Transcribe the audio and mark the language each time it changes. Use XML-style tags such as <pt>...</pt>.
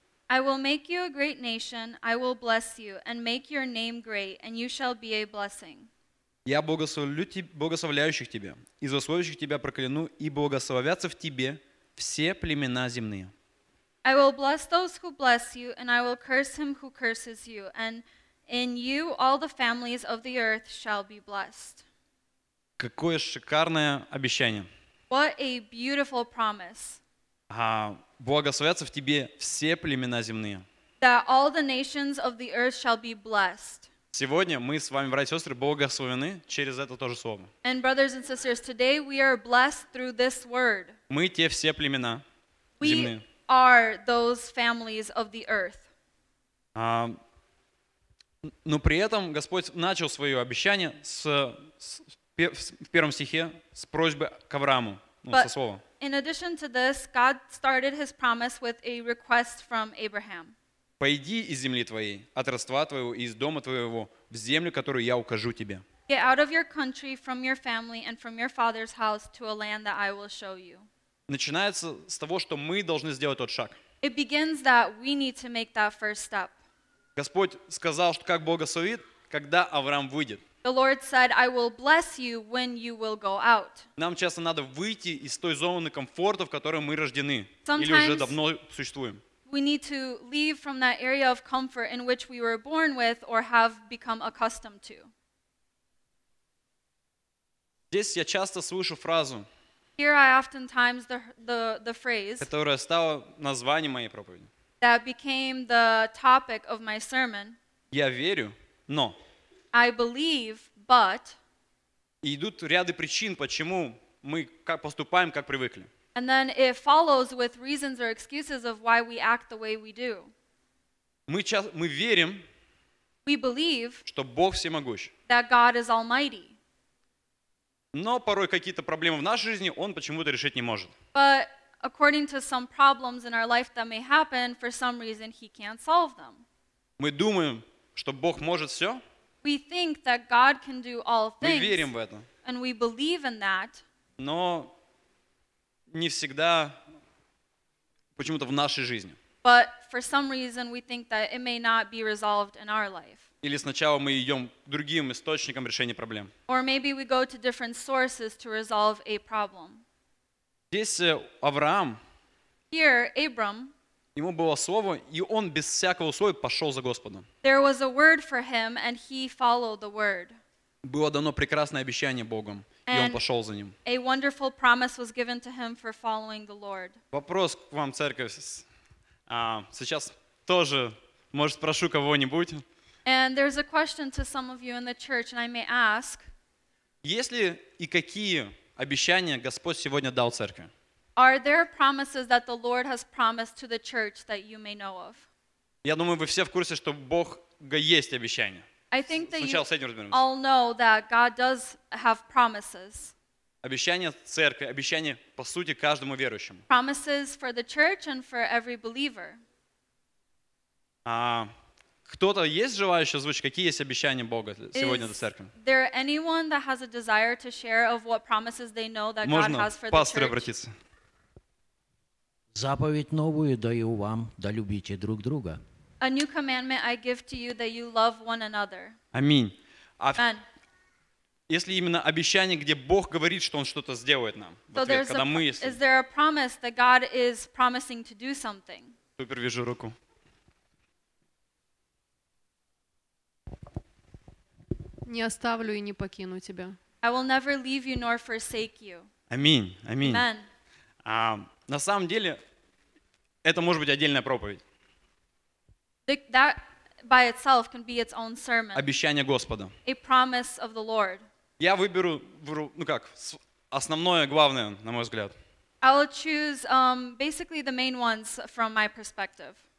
<en>I will make you a great nation, I will bless you, and make your name great, and you shall be a blessing.</en> <ru>Я благословлю благословляющих тебя, и злословящих тебя прокляну, и благословятся в тебе все племена земные.</ru> <en>I will bless those who bless you, and I will curse him who curses you, and in you all the families of the earth shall be blessed.</en> <ru>Какое шикарное обещание.</ru> <en>What a beautiful promise.</en> <ru>Благословятся в тебе все племена земные.</ru> <en>That all the nations of the earth shall be blessed.</en> <ru>Сегодня мы с вами, братья и сестры, благословены через это тоже слово.</ru> <en>And brothers and sisters, today we are blessed through this word.</en> <ru>Мы те все племена земные.</ru> <en>Are those families of the earth.</en> <ru>Но при этом Господь начал свое обещание в первом стихе с просьбы к Аврааму, со слова.</ru> <en>In addition to this, God started his promise with a request from Abraham.</en> <ru>Пойди из земли твоей, от родства твоего и из дома твоего, в землю, которую я укажу тебе.</ru> <en>Get out of your country, from your family, and from your father's house to a land that I will show you.</en> <ru>Начинается с того, что мы должны сделать тот шаг.</ru> <en>It begins that we need to make that first step.</en> <ru>Господь сказал, что как благословит, когда Авраам выйдет.</ru> <en>The Lord said, I will bless you when you will go out.</en> <ru>Нам часто надо выйти из той зоны комфорта, в которой мы рождены. Или уже давно существуем.</ru> <en>We need to leave from that area of comfort in which we were born with or have become accustomed to.</en> <ru>Здесь я часто слышу фразу,</ru> <en>here I oftentimes the phrase,</en> <ru>которая стала названием моей проповеди,</ru> <en>that became the topic of my sermon.</en> <ru>Я верю, но</ru> <en>I believe, but</en> <ru>идут ряды причин, почему мы как поступаем, как привыкли.</ru> <en>And then it follows with reasons or excuses of why we act the way we do.</en> <ru>Мы верим,</ru> <en>we believe,</en> <ru>что Бог всемогущ,</ru> <en>that God is almighty.</en> <ru>Но порой какие-то проблемы в нашей жизни он почему-то решить не может.</ru> <en>But according to some problems in our life that may happen, for some reason he can't solve them.</en> <ru>Мы думаем, что Бог может все.</ru> <en>We think that God can do all things.</en> <ru>Мы верим в это.</ru> <en>And we believe in that.</en> <ru>Но не всегда почему-то в нашей жизни.</ru> <en>But for some reason we think that it may not be resolved in our life.</en> <ru>Или сначала мы идем к другим источникам решения проблем.</ru> <en>Or maybe we go to different sources to resolve a problem.</en> <ru>Здесь Авраам.</ru> <en>Here, Abram.</en> <ru>Ему было слово, и он без всякого условия пошел за Господом.</ru> <en>There was a word for him, and he followed the word.</en> <ru>Было дано прекрасное обещание Богом,</ru> <en>and</en> <ru>и он пошел за ним.</ru> <en>A wonderful promise was given to him for following the Lord.</en> <ru>Вопрос к вам, церковь. Сейчас тоже, может, спрошу кого-нибудь.</ru> <en>And there's a question to some of you in the church, and I may ask.</en> <ru>Есть ли и какие обещания Господь сегодня дал церкви?</ru> <en>Are there promises that the Lord has promised to the church that you may know of?</en> <ru>Я думаю, вы все в курсе, что Бог есть обещания.</ru> <en>I think that you all know that God does have promises.</en> <ru>Обещания церкви, обещания по сути каждому верующему.</ru> <en>Promises for the church and for every believer.</en> <ru>Кто-то есть желающий озвучить, какие есть обещания Бога сегодня для церкви?</ru> <en>Is there anyone that has a desire to share of what promises they know that God has for the church?</en> <ru>Обратиться. Заповедь новую даю вам, да любите друг друга.</ru> <en>A new commandment I give to you that you love one another.</en> <ru>Аминь.</ru> <en>Amen.</en> <ru>Если именно обещание, где Бог говорит, что он что-то сделает нам,</ru> <en>so</en> <ru>в ответ, когда мы если.</ru> <en>Is there a promise that God is promising to do something?</en> <ru>Супер, вижу руку. Не оставлю и не покину тебя.</ru> <en>I will never leave you nor forsake you.</en> <ru>Аминь. Аминь.</ru> <en>Amen.</en> <ru>На самом деле это может быть отдельная проповедь.</ru> <en>That by itself can be its own sermon.</en> <ru>Обещание Господа.</ru> <en>A promise of the Lord.</en> <ru>Я выберу, ну как, основное, главное, на мой взгляд.</ru> <en>I will choose basically the main ones from my perspective.</en>